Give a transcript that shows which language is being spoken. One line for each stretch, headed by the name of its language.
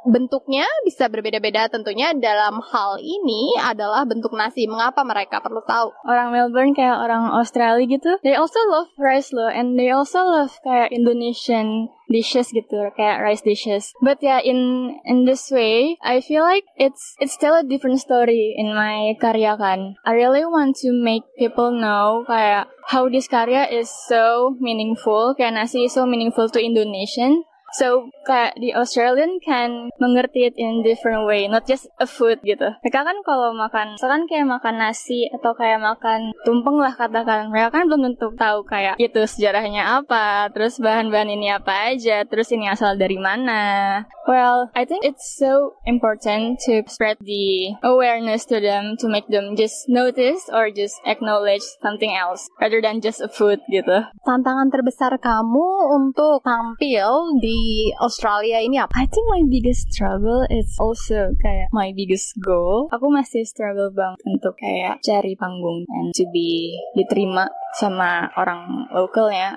Indonesian: Bentuknya bisa berbeda-beda tentunya, dalam hal ini adalah bentuk nasi. Mengapa mereka perlu tahu? Orang Melbourne kayak orang Australia gitu,
English: they also love rice loh, and they also love kayak Indonesian dishes gitu, kayak rice dishes. But yeah, in this way, I feel like it's still a different story in my
Indonesian: karya kan.
English: I really want to make people know kayak how this karya is so meaningful, kayak nasi is so meaningful to Indonesian. So kayak the Australian can
Indonesian: mengerti
English: it in different way, not just a food gitu.
Indonesian: Mereka kan kalau makan, misalkan kayak makan nasi atau kayak makan tumpeng lah katakan, mereka kan belum tentu tahu kayak itu sejarahnya apa, terus bahan-bahan ini apa aja, terus ini asal dari mana.
English: Well, I think it's so important to spread the awareness to them, to make them just notice or just acknowledge something else rather than just a food gitu.
Indonesian: Tantangan terbesar kamu untuk tampil di Australia ini apa?
English: I think my biggest struggle is also kayak my biggest goal.
Indonesian: Aku masih struggle banget untuk kayak cari panggung
English: and to be
Indonesian: diterima sama orang lokalnya.